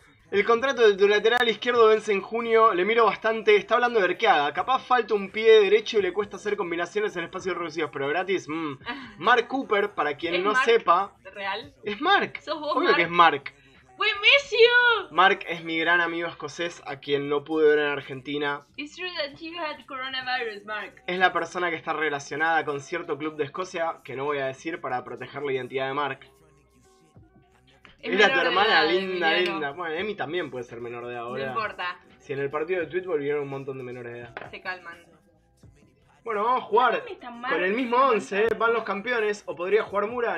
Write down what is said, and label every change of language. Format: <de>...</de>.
<es>El contrato de tu lateral izquierdo vence en junio. Le miro bastante. Está hablando de Erkeaga. Capaz falta un pie derecho y le cuesta hacer combinaciones en espacios reducidos, pero gratis. Mark Cooper, para quien no Mark sepa... ¿Real? ¡Es Mark! ¿Sos vos, obvio Mark? Que es Mark. ¡Fue Messio! Mark es mi gran amigo escocés a quien no pude ver en Argentina.</es> <en>It's true that you had coronavirus, Mark.</en> <es>Es la persona que está relacionada con cierto club de Escocia, que no voy a decir para proteger la identidad de Mark. Era tu hermana, linda, linda. Bueno, Emi también puede ser menor de edad, ¿verdad? No importa. Si en el partido de Tweetball vinieron un montón de menores de edad. Se calman. Bueno, vamos a jugar con el mismo 11, van los campeones. ¿O podría jugar Mura?</es>